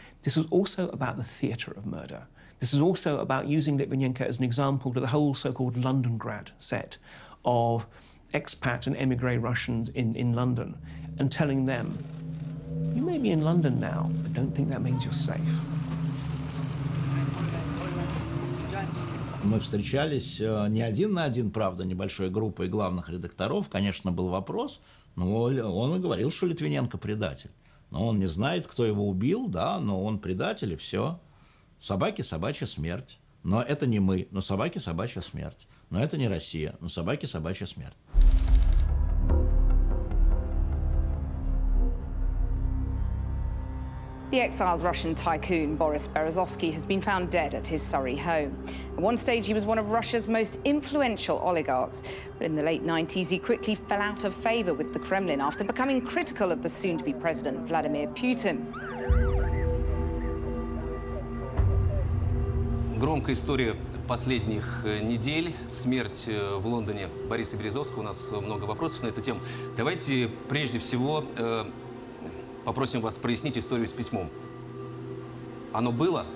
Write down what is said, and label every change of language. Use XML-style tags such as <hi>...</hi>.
<en>This was also about the theatre of murder. This is also about using Litvinenko as an example to the whole so-called Londongrad set of expat and emigre Russians in London and telling them, you may be in London now, but don't think that means you're safe.</en> <ru>Мы встречались не один на один, правда, небольшой группой главных редакторов. Конечно, был вопрос, но он и говорил, что Литвиненко предатель. Но он не знает, кто его убил, да, но он предатель, и все. Собаки – собачья смерть. Но это не мы, но собаки – собачья смерть. Но это не Россия, но собаки – собачья смерть.</ru> <en>The exiled Russian tycoon Boris Berezovsky has been found dead at his Surrey home. At one stage, he was one of Russia's most influential oligarchs. But in the late 90s, he quickly fell out of favor with the Kremlin after becoming critical of the soon-to-be president, Vladimir Putin.</en> <ru>Громкая история последних недель. Смерть в Лондоне Бориса Березовского. У нас много вопросов на эту тему. Давайте прежде всего попросим вас прояснить историю с письмом. Оно было?</ru>